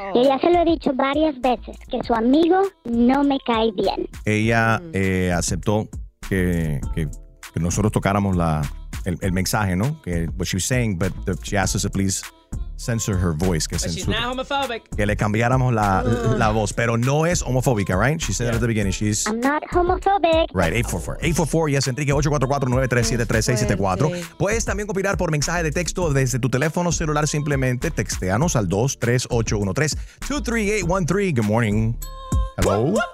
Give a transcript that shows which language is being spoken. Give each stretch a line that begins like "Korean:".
Spanish: Y ya se lo he dicho varias veces, que su amigo no me cae bien. Ella aceptó que nosotros tocáramos el mensaje, ¿no?
English: Que, what she was saying, but she asked us to please censor her voice.
Spanish: Que
English: but she's not homophobic.
Spanish: Que le cambiáramos la voz, pero no es homofóbica, right?
English: She said that at the beginning. She's, I'm not homophobic. Right, 844. 844, yes, Enrique, 844-937-3674.
Spanish: Puedes también opinar por mensaje de texto desde tu teléfono celular. Simplemente textéanos al 23813 23813.
English: Good morning. Hello.